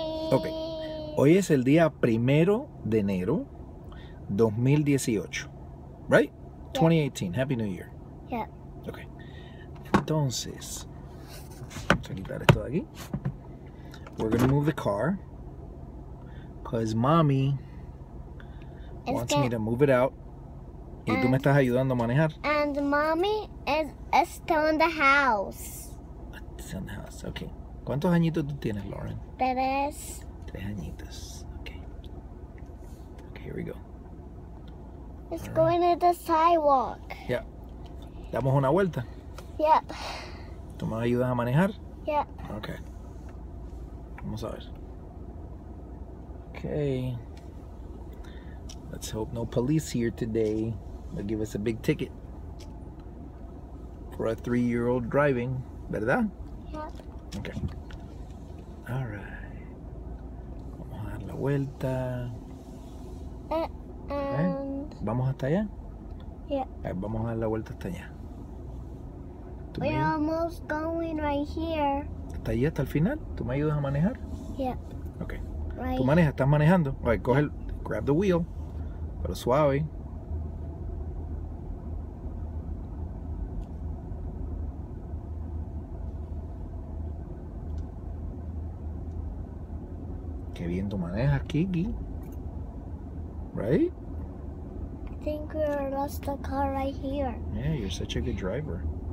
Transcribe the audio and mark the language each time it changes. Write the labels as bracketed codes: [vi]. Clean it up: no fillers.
[es] Ok, hoy es el día 1 de enero 2018, right? 2018, [en] Happy New Year. [es] Ok, entonces, vamos a quitar esto de aquí. [en] We're gonna move the car, cause mommy wants me to move it out. [es] Y tú me estás ayudando a manejar. [en] And mommy is still in the house. Still in the house, ok. [es] ¿Cuántos añitos tú tienes, Lauren? Tres. Tres añitos. [en] Okay. Okay, here we go. It's all going right. To the sidewalk. [es] Yeah. ¿Damos una vuelta? [en] Yep. [es] ¿Tú me ayudas a manejar? [en] Yep. [es] Okay. Vamos a ver. Okay. [en] Let's hope no police here today. They'll give us a big ticket. For a 3-year-old driving, ¿verdad? Yep. [es] Okay. [en] All right. [es] Vamos a dar la vuelta. [en] And [es] ¿vamos hasta allá? [en] Yeah. [es] Right, vamos a dar la vuelta hasta allá. [en] We're almost going right here. [es] ¿Hasta allá, hasta el final? ¿Tú me ayudas a manejar? [en] Yeah. [es] Okay. Right. ¿Tú manejas? ¿Estás manejando? All right, coge, [en] grab the wheel. [es] Pero suave. Qué bien tú manejas, Kiki. [en] Right? I think we lost the car right here. Yeah, you're such a good driver.